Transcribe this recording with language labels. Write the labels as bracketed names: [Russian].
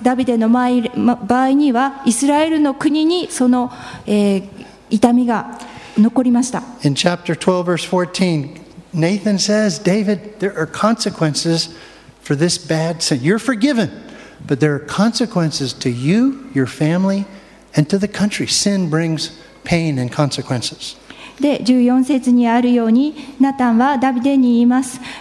[Japanese] ダビデの場合にはイスラエルの国にその、痛みが残りました。 [English] In chapter 12, verse 14, Nathan says, David, there are consequences for this bad sin. You're forgiven. But there are consequences to you, your family, and to the country. Sin brings pain and consequences. [Japanese] で、14節にあるように、ナタンはダビデに言います。